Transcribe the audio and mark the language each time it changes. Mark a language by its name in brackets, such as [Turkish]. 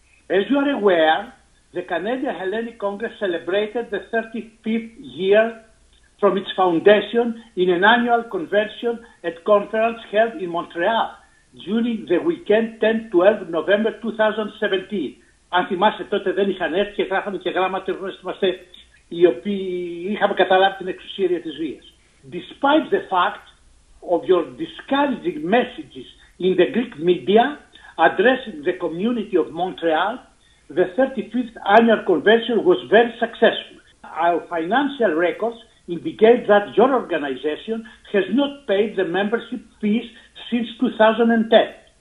[English] As you are aware, the Canadian Hellenic Congress celebrated the 35th year from its foundation in an annual convention at conference held in Montreal during the weekend 10-12 November 2017. [Greek] Αν θυμάστε τότε δεν είχαν έρθει και γράφανε και γράμματα που είμαστε οι οποίοι είχαμε καταλάβει την εξουσία της βίας. [English] Despite the fact of your discouraging messages in the Greek media addressing the community of Montreal, the 35th annual convention was very successful. Our financial records indicate that your organization has not paid the membership fees since 2010.